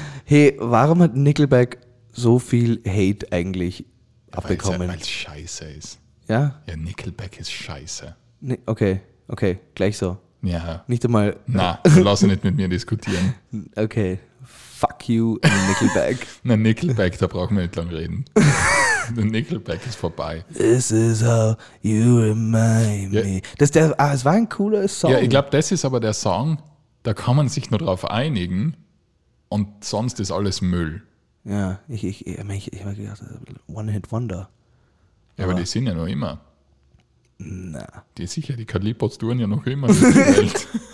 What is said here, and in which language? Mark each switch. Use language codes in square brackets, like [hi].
[de] Hey, warum hat Nickelback so viel Hate eigentlich abbekommen? Weil es scheiße ist. Ja? Ja, Nickelback ist scheiße. Okay, gleich so. Ja. Nicht einmal... Na, lass nicht mit mir diskutieren. Okay, [en] fuck you, [de] Nickelback. Na, Nickelback, da brauchen wir nicht lang reden. Nickelback ist vorbei. [en] This is how you remind me. [de] Das war ein cooler Song. Ja, ich glaube, das ist aber der Song, da kann man sich nur drauf einigen und sonst ist alles Müll. Ja, ich habe gedacht, One-Hit-Wonder. Ja, aber die sind ja noch immer. Na. Die ist sicher, die Kalipots touren ja noch immer in der Welt.